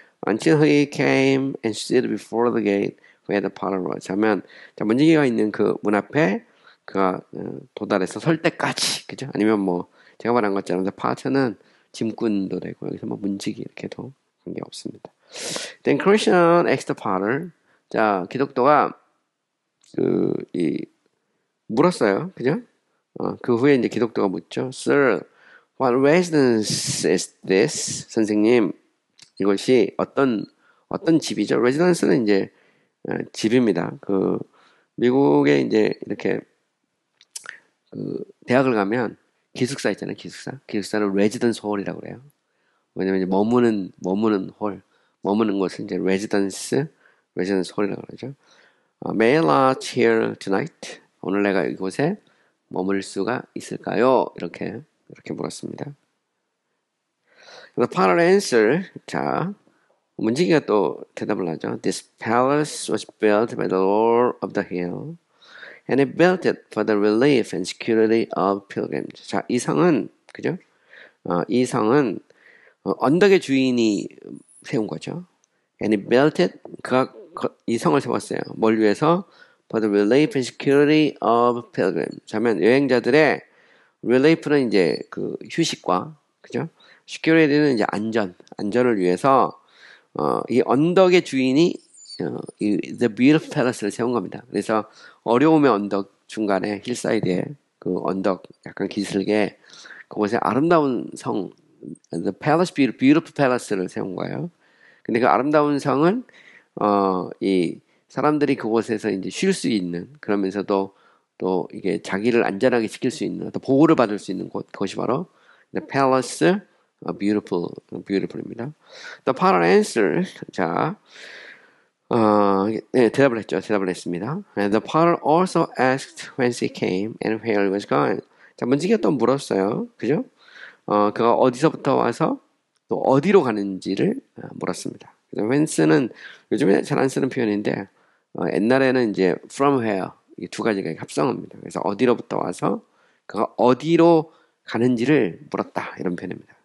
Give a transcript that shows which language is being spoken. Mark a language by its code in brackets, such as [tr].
[en] Until he came and stood before the gate where the potter was. [ko] 하면 자 문지기가 있는 그문 앞에 그가 도달해서 설 때까지 그죠? 아니면 뭐 제가 말한 것처럼 파트는 짐꾼도 되고 여기서 뭐 문지기 이렇게도 관계 없습니다. [en] Then Christian asked the potter. [ko] 자 기독도가 그이 물었어요, 그죠? 그 후에 이제 기독교가 묻죠. Sir, what residence is this? 선생님, 이것이 어떤 집이죠? Residence는 이제 집입니다. 그 미국에 이제 이렇게 그 대학을 가면 기숙사 있잖아요, 기숙사. 기숙사를 residence hall이라고 그래요. 왜냐면 이제 머무는 홀, 머무는 곳은 이제 residence hall이라고 그러죠. [en] May I lodge here tonight? [ko] 오늘 내가 이곳에 머물 수가 있을까요? 이렇게 물었습니다. [en] The potter answered, [ko] 자, 문지기가 또 대답을 하죠. [en] This palace was built by the Lord of the Hill, and he built it for the relief and security of pilgrims. [ko] 자, 이 성은, 그죠? 이 성은 언덕의 주인이 세운 거죠. [en] And he built it. [ko] 그가 이 성을 세웠어요. 뭘 위해서? [en] For the relief and security of pilgrims. [ko] 자면 여행자들의 relief는 이제 그 휴식과, 그죠? security는 이제 안전, 안전을 위해서 이 언덕의 주인이 the beautiful palace를 세운 겁니다. 그래서 어려움의 언덕 중간에 힐사이드에 그 언덕 약간 기슭에 그곳에 아름다운 성, the palace beautiful palace를 세운 거예요. 근데 그 아름다운 성은 이 사람들이 그곳에서 이제 쉴수 있는 그러면서도 또 이게 자기를 안전하게 지킬 수 있는 또 보호를 받을 수 있는 곳 그것이 바로 the palace. A beautiful, beautiful입니다. [en] The final answer, [ko] 자, 네, 대답을 했죠. 대답을 했습니다. [en] And the potter also asked whence he came and where he was going. [ko] 자, 문지기가 또 물었어요. 그죠? 그가 어디서부터 와서 또 어디로 가는지를 물었습니다. 그래서 whence는 요즘에 잘안 쓰는 표현인데, 옛날에는 이제 from where 이두 가지가 합성어입니다. 그래서 어디로부터 와서 그가 어디로 가는지를 물었다. 이런 표현입니다.